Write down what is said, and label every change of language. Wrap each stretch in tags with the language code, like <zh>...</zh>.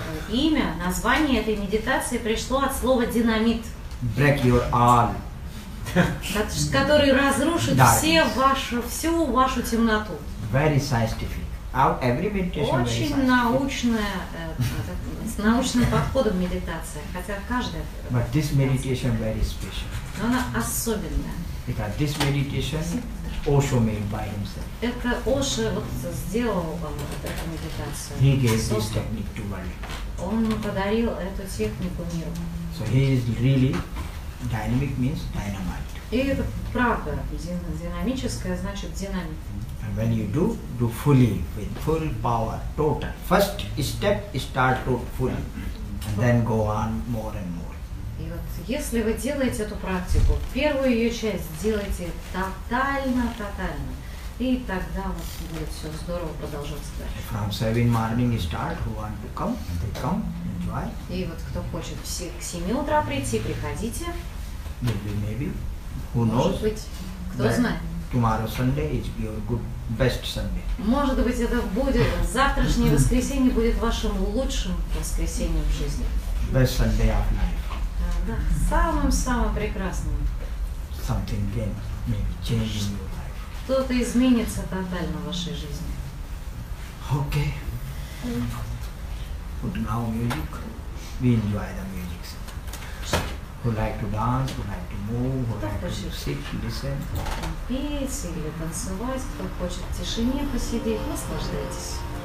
<ru>Имя, название этой медитации пришло от слова динамит.</ru> <en>Break your all.</en> <ru>Который разрушит всю вашу темноту.</ru> <en>Very scientific. Every meditation is very scientific.</en> <ru>Очень научным подходом медитация, хотя каждая.</ru> <en>But this meditation very special.</en> <ru>Она особенная.</ru> <en>Because this meditation Osho made by himself.</en> <ru>Это Оша вот сделал вам эту медитацию.</ru> <en>He gave this technique to Mali.</en> <ru>Он подарил эту технику миру.</ru> <en>So he is really dynamic means dynamite.</en> <ru>И это правда, динамическая значит динамит.</ru> <en>And when you do fully with full power, total. First step start to fully, and then go on more and more.</en> <ru>И вот если вы делаете эту практику, первую ее часть делайте тотально, и тогда вот будет все здорово продолжаться дальше.</ru> <en>From 7 morning start, who want to come, they come, enjoy.</en> <ru>И вот кто хочет все к 7 утра прийти, приходите.</ru> <en>Maybe. Who</en> <ru>Может</ru> <en>knows?</en> <ru>Быть, кто знает.</ru> <en>Tomorrow Sunday is your good best Sunday.</en> <ru>Может быть, это будет завтрашнее воскресенье будет вашим лучшим воскресеньем в жизни.</ru> <en>Best Sunday of life.</en> <ru>Да, самым прекрасным.</ru> <en>Something game, maybe changing your life.</en> <ru>Кто-то изменится тотально в вашей жизни.</ru> <en>Okay. Put now music. We enjoy the music. Who like to dance, who like to move, who</en> <ru>кто</ru> <en>like</en> <ru>хочет</ru> <en>to sit, listen.</en> <ru>Петь или танцевать, кто хочет в тишине посидеть, наслаждайтесь.</ru>